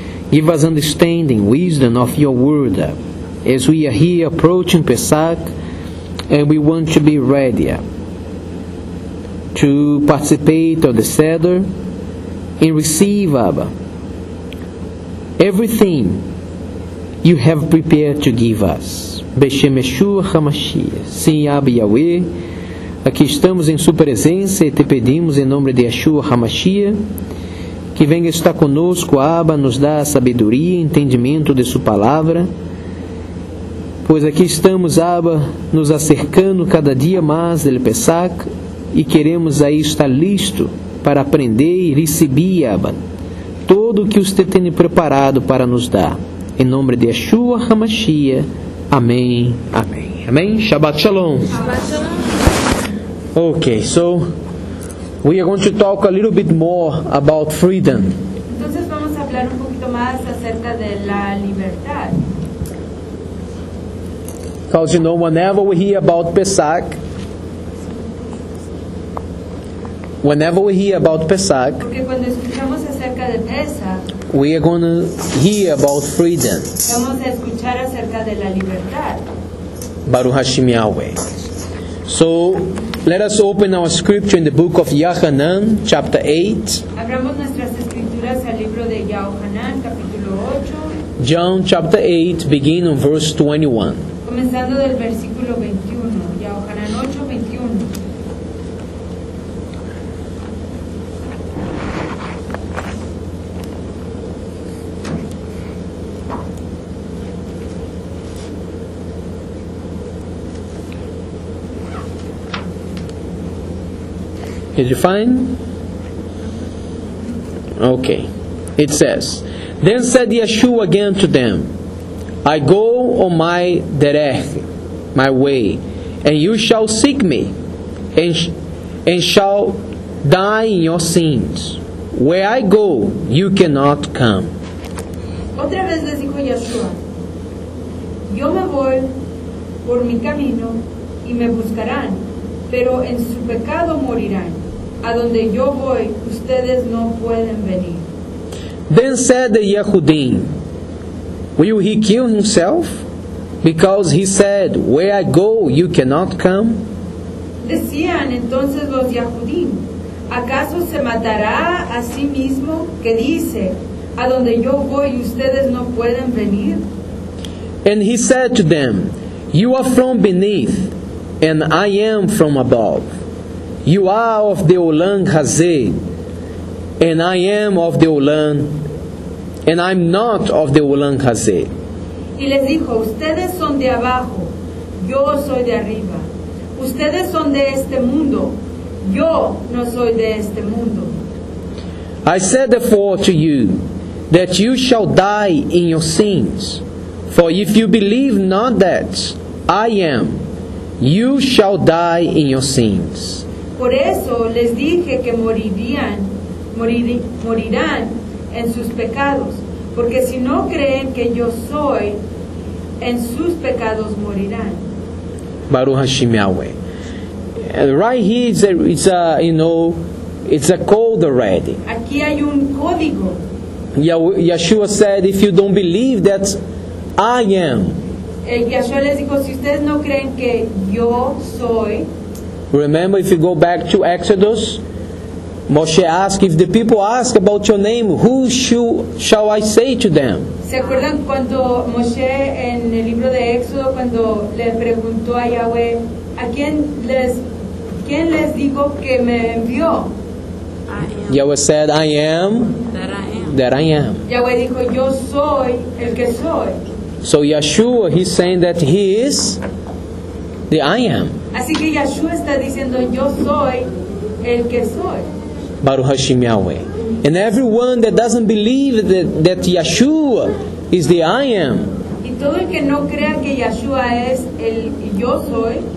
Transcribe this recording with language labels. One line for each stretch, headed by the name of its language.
English: Give us understanding, wisdom of your word as we are here approaching Pesach, and we want to be ready to participate of the Seder and receive, Abba, everything you have prepared to give us.
Hebrew: B'Shem Yeshua HaMashiach.
Portuguese: Sim, Abba Yahweh, aqui estamos em sua presença e te pedimos em nome de Yeshua HaMashiach que venha estar conosco, Abba, nos dá sabedoria e entendimento de sua palavra, pois aqui estamos, Abba, nos acercando cada dia mais del Pesach e queremos aí estar listo para aprender e receber, Abba, todo o que você tem preparado para nos dar. Em nome de Yeshua HaMashiach, amém, amém. Amém?
Hebrew: Shabbat Shalom. Shabbat Shalom.
English: Okay, so we are going to talk a little bit more about freedom.
Portuguese: Então, vamos falar um pouquinho mais acerca da liberdade.
English: Because, you know, whenever we hear about Pesach,
Portuguese: porque quando escutamos acerca de Pesach,
English: we are going to hear about freedom.
Spanish: Vamos a escuchar acerca de la libertad.
Hebrew: Baruch Hashem Yahweh.
English: So, let us open our scripture in the book of Yohanan, chapter 8.
Spanish: Abramos nuestras escrituras al libro de Yohanan, capítulo 8.
English: John, chapter 8, begin on verse 21.
Spanish: Comenzando del versículo 21. Yohanan 8.
English: Did you find? Okay. It says, then said Yeshua again to them, I go on my derech, my way, and you shall seek me, and shall die in your sins. Where I go, you cannot come.
Spanish: Otra vez les dijo Yeshua, yo me voy por mi camino, y me buscarán, pero en su pecado morirán. A donde yo voy, ustedes no pueden venir.
English: Then said the Yehudim, will he kill himself? Because he said, where I go, you cannot come.
Spanish: Decían entonces los Yehudim, ¿acaso se matará a sí mismo que dice, a donde yo voy, ustedes no pueden venir?
English: And he said to them, you are from beneath, and I am from above. You are of the Olam Hazeh, and I am of the Olam, and I'm not of the Olam Hazeh.
Spanish: Y les dijo, ustedes son de abajo, yo soy de arriba. Ustedes son de este mundo, yo no soy de este mundo.
English: I said therefore to you, that you shall die in your sins. For if you believe not that I am, you shall die in your sins.
Spanish: Por eso les dije que morirán en sus pecados, porque si no creen que yo soy, en sus pecados morirán.
Hebrew: Baruch Hashem Yahweh.
English: Right here it's a code already.
Spanish: Aquí hay un código.
English: Yeshua said, if you don't believe that I am.
Spanish: Yeshua les dijo, si ustedes no creen que yo soy.
English: Remember, if you go back to Exodus, Moshe asked, if the people ask about your name, who shall I say to them?
Spanish: ¿Se acuerdan cuando Moshe en el libro de Éxodo, cuando le preguntó a Yahweh, ¿quién les digo que me envió?
English: I am. Yahweh said, I am. That I am. That I am.
Spanish: Yahweh dijo, yo soy el que soy.
English: So Yeshua, he's saying that he is the I am.
Spanish: Así que Yeshua está diciendo, yo soy el que soy.
Hebrew: Baruch Hashem Yahweh.
English: And everyone that doesn't believe that Yeshua is the I am.
Spanish: Y todo el que no crea que Yeshua es el yo soy.